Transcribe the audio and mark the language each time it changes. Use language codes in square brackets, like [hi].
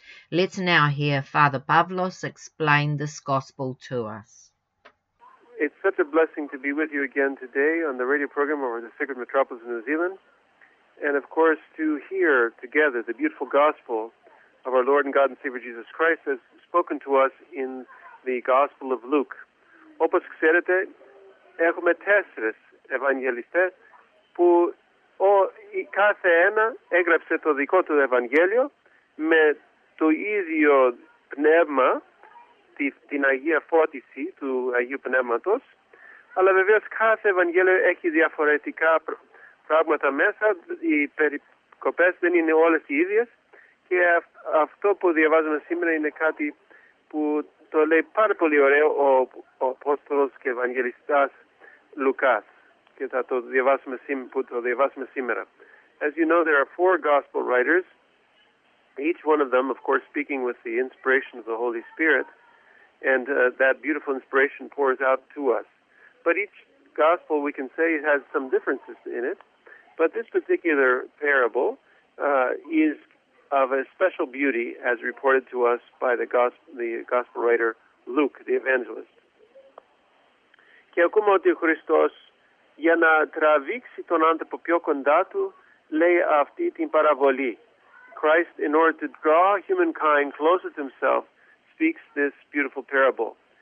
[en] Let's now hear Father Pavlos explain this gospel to us. It's such a blessing to be with you again today on the radio program over the Sacred Metropolis of New Zealand, and of course to hear together the beautiful gospel of our Lord and God and Savior Jesus Christ as spoken to us in the Gospel of Luke. [el] Όπως ξέρετε, έχουμε τέσσερις ευαγγελιστές που ο η κάθε ένα έγραψε το δικό του Ευαγγέλιο με το ίδιο πνεύμα, την Αγία Φώτιση του Αγίου Πνεύματος, αλλά βεβαίως κάθε Ευαγγέλιο έχει διαφορετικά πράγματα μέσα, οι περικοπές δεν είναι όλες οι ίδιες και αυτό που διαβάζουμε σήμερα είναι κάτι που το λέει πάρα πολύ ωραίο ο Απόστολος και Ευαγγελιστάς Λουκάς. Και θα το διαβάσουμε σήμερα. [en] As you know, there are four gospel writers, each one of them, of course, speaking with the inspiration of the Holy Spirit, and that beautiful inspiration pours out to us. But each gospel, we can say, has some differences in it. But this particular parable is of a special beauty, as reported to us by the gospel writer Luke, the evangelist. [el] Και ακούμε ότι ο Χριστός, για να τραβήξει τον άνθρωπο πιο κοντά του, λέει αυτή την παραβολή. [en] Christ, in order to draw humankind closer to himself, speaks this beautiful parable.